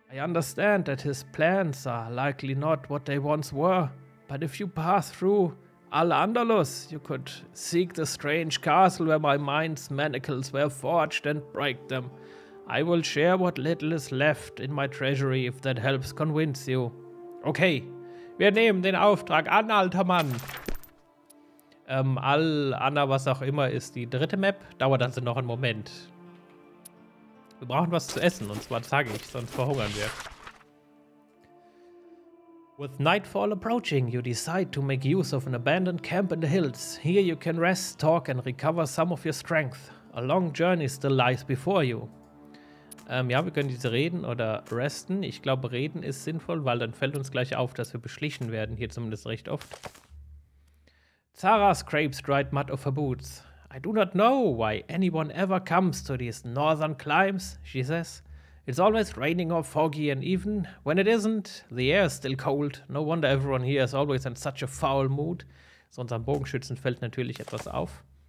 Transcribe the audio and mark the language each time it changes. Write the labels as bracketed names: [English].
[English] I understand that his plans are likely not what they once were. But if you pass through Al-Andalus, you could seek the strange castle where my mind's manacles were forged and break them. I will share what little is left in my treasury, if that helps convince you. [German] Okay, wir nehmen den Auftrag an, alter Mann. Al-Anna, was auch immer, ist die dritte Map. Dauert also noch einen Moment. Wir brauchen was zu essen, und zwar zeige ich, sonst verhungern wir. [English] With nightfall approaching, you decide to make use of an abandoned camp in the hills. Here you can rest, talk and recover some of your strength. A long journey still lies before you. [German] Ja, wir können jetzt reden oder resten. Ich glaube, reden ist sinnvoll, weil dann fällt uns gleich auf, dass wir beschlichen werden, hier zumindest recht oft. [English] Zara scrapes dried mud off her boots. I do not know why anyone ever comes to these northern climes, she says. It's always raining or foggy, and even when it isn't, the air is still cold. No wonder everyone here is always in such a foul mood. [German] So unserem Bogenschützen fällt natürlich etwas auf.